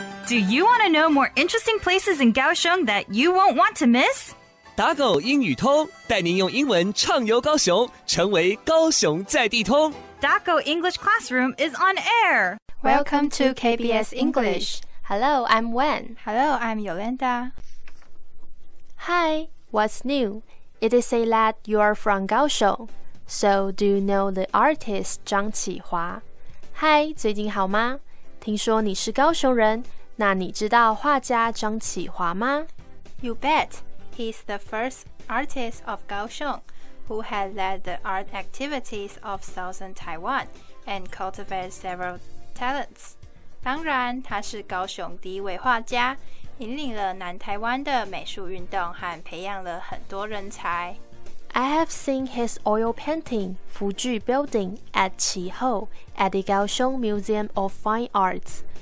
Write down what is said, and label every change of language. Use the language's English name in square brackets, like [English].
[English] Do you want to know more interesting places in Kaohsiung that you won't want to miss? [Chinese] 打狗英语通，带您用英文畅游高雄，成为高雄在地通。 [English] Daco English Classroom is on air. Welcome to KBS English. Hello, I'm Wen. Hello, I'm Yolanda. Hi, what's new? It is said that you're from Kaohsiung. So, do you know the artist 张启华?Hi, [Chinese] 最近好吗? 听说你是高雄人,那你知道画家张启华吗? [English] You bet. He's the first artist of Kaohsiung. Who had led the art activities of Southern Taiwan and cultivated several talents. [Chinese] 当然，他是高雄第一位画家，引领了南台湾的美术运动和培养了很多人才。 [English] I have seen his oil painting, Fuchu Building, at Chihou at the Kaohsiung Museum of Fine Arts.